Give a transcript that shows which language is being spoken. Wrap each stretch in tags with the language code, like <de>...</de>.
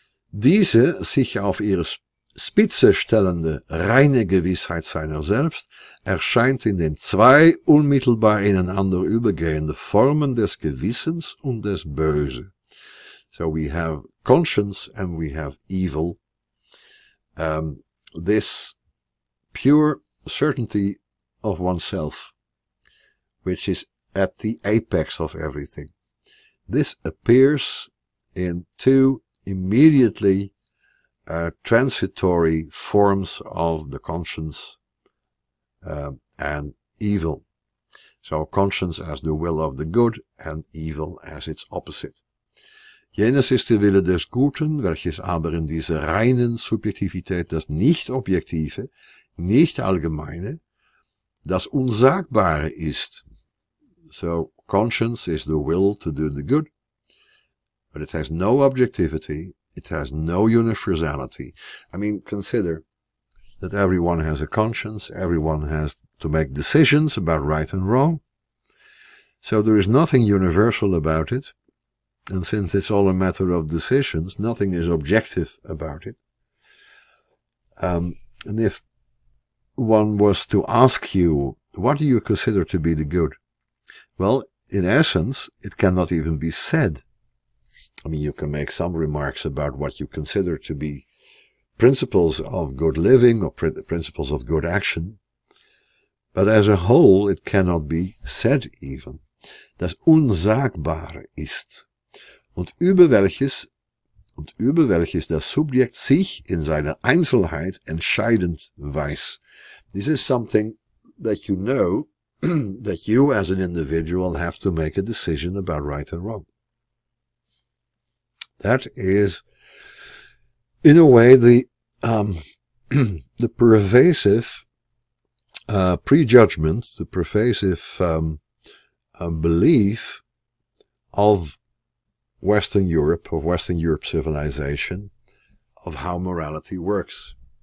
<de>Diese sich auf ihre Spitze stellende reine Gewissheit seiner selbst erscheint in den zwei unmittelbar ineinander übergehende Formen des Gewissens und des Böse.</de> <en>So we have conscience and we have evil. This pure certainty of oneself, which is at the apex of everything. This appears in two immediately transitory forms of the conscience and evil. So conscience as the will of the good and evil as its opposite.</en> <de>Jenes ist der Wille des Guten, welches aber in dieser reinen Subjektivität das Nicht-Objektive, Nicht-Allgemeine, das Unsagbare ist.</de> <en>So conscience is the will to do the good, but it has no objectivity, it has no universality. I mean, consider that everyone has a conscience, everyone has to make decisions about right and wrong. So there is nothing universal about it. And since it's all a matter of decisions, nothing is objective about it. And if one was to ask you, what do you consider to be the good? Well, in essence, it cannot even be said. I mean, you can make some remarks about what you consider to be principles of good living or principles of good action. But as a whole, it cannot be said even.</en> <de>Das Unsagbare ist. Und über welches das Subjekt sich in seiner Einzelheit entscheidend weiß.</de> <en>This is something that you know, that you as an individual have to make a decision about right and wrong. That is, in a way, the pervasive prejudgment, the pervasive belief of Western Europe, of Western Europe civilization, of how morality works.</en>